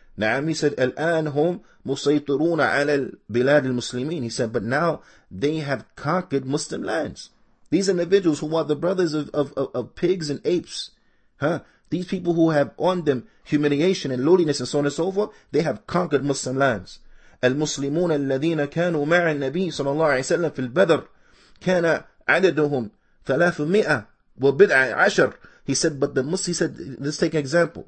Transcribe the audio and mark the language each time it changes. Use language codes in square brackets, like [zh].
[en] Na'am, he said, [ar] الآن هم مسيطرون على البلاد المسلمين. [en] He said, but now they have conquered Muslim lands. These individuals who are the brothers of pigs and apes, huh? These people who have on them humiliation and lowliness and so on and so forth, they have conquered Muslim lands. [ar] المسلمون الذين كانوا مع النبي صلى الله عليه وسلم في البدر كان عددهم 310. [en] He said, but the Muslims, let's take an example.